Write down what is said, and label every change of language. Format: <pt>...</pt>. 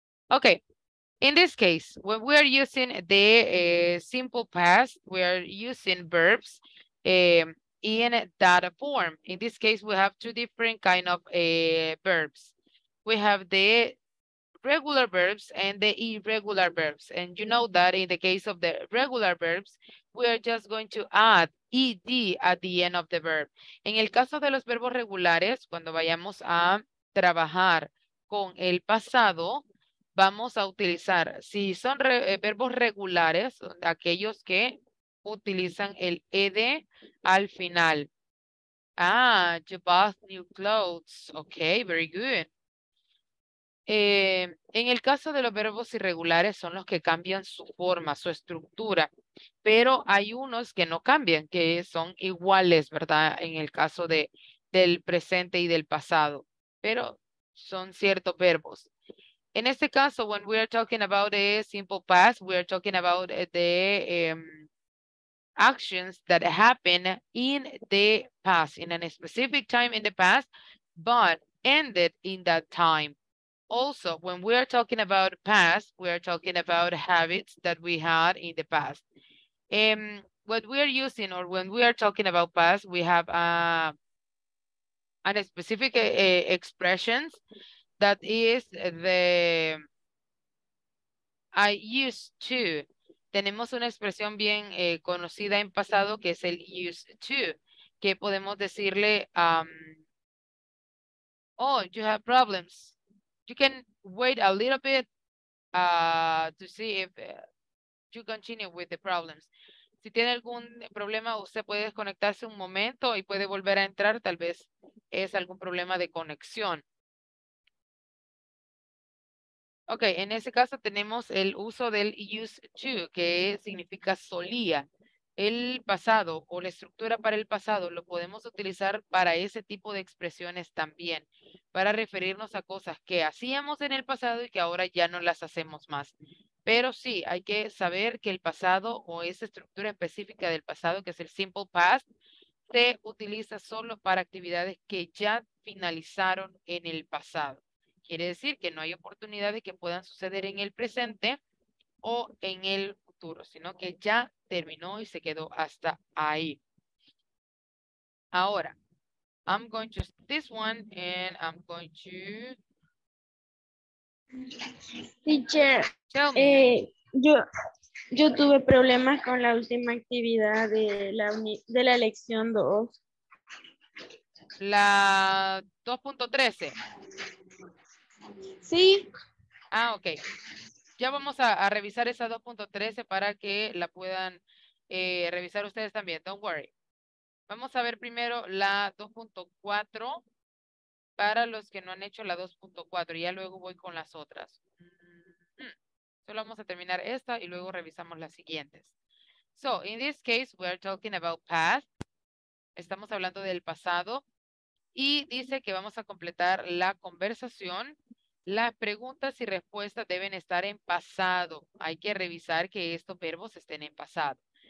<en>Okay, in this case, when we are using the simple past, we are using verbs in that form. In this case, we have two different kind of verbs. We have the regular verbs and the irregular verbs. And you know that in the case of the regular verbs, we are just going to add ed at the end of the verb.</en> <es>En el caso de los verbos regulares, cuando vayamos a trabajar con el pasado, vamos a utilizar, si son verbos regulares, aquellos que utilizan el ed al final.</es> <en>Ah, you bought new clothes. Okay, very good.</en> <es>En el caso de los verbos irregulares son los que cambian su forma, su estructura, pero hay unos que no cambian, que son iguales, ¿verdad? En el caso del presente y del pasado, pero son ciertos verbos. En este caso,</es> <en>when we are talking about a simple past, we are talking about the actions that happened in the past, in a specific time in the past, but ended in that time. Also, when we are talking about past, we are talking about habits that we had in the past. What we are using, or when we are talking about past, we have a specific expressions that is the I used to.</en> <es>Tenemos una expresión bien conocida en pasado que es el used to, que podemos decirle,</es> <en>oh, you have problems. You can wait a little bit to see if you continue with the problems.</en> <es>Si tiene algún problema, usted puede desconectarse un momento y puede volver a entrar. Tal vez es algún problema de conexión. Ok, en ese caso tenemos el uso del used to, que significa solía. El pasado o la estructura para el pasado lo podemos utilizar para ese tipo de expresiones también, para referirnos a cosas que hacíamos en el pasado y que ahora ya no las hacemos más. Pero sí, hay que saber que el pasado o esa estructura específica del pasado, que es el simple past, se utiliza solo para actividades que ya finalizaron en el pasado. Quiere decir que no hay oportunidades que puedan suceder en el presente o en el futuro, sino que ya terminó y se quedó hasta ahí.</es> <en>Ahora, I'm going to this one and I'm going to... Teacher, tell me.</en> <es>Yo tuve problemas con la última actividad de la lección 2. La 2.13. Sí. Ah, ok. Ya vamos a revisar esa 2.13 para que la puedan revisar ustedes también.</es> <en>Don't worry.</en> <es>Vamos a ver primero la 2.4 para los que no han hecho la 2.4. Ya luego voy con las otras. Solo vamos a terminar esta y luego revisamos las siguientes.</es> <en>So, in this case, we are talking about past.</en> <es>Estamos hablando del pasado. Y dice que vamos a completar la conversación. Las preguntas y respuestas deben estar en pasado. Hay que revisar que estos verbos estén en pasado.</es>